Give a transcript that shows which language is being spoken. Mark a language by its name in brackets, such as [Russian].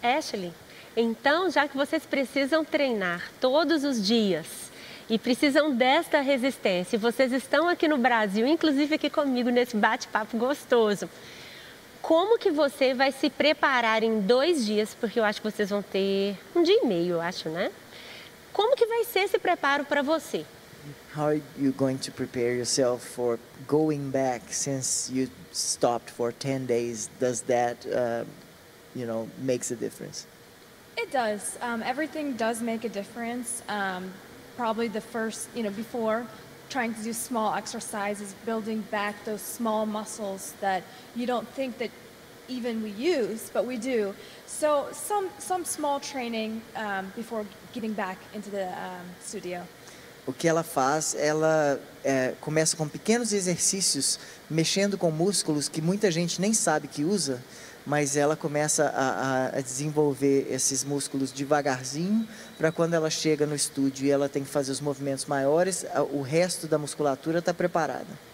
[Portuguese] Ashley, então, já que vocês precisam treinar todos os dias e precisam desta resistência, vocês estão aqui no Brasil, inclusive aqui comigo nesse bate-papo gostoso, como que você vai se preparar em 2 dias? Porque eu acho que vocês vão ter 1 dia e meio, eu acho, né? Como que vai ser esse preparo para você? [English] How are you going to prepare yourself for going back since you stopped for 10 days? Does that, you know, makes a difference? It does. Everything does make a difference. Probably the first, you know, before trying to do small exercises, building back those small muscles that you don't think that even we use, but we do. So some small training before getting back into the studio. [Portuguese] O que ela faz, ela começa com pequenos exercícios, mexendo com músculos que muita gente nem sabe que usa, mas ela começa a desenvolver esses músculos devagarzinho, para quando ela chega no estúdio e ela tem que fazer os movimentos maiores, o resto da musculatura está preparada.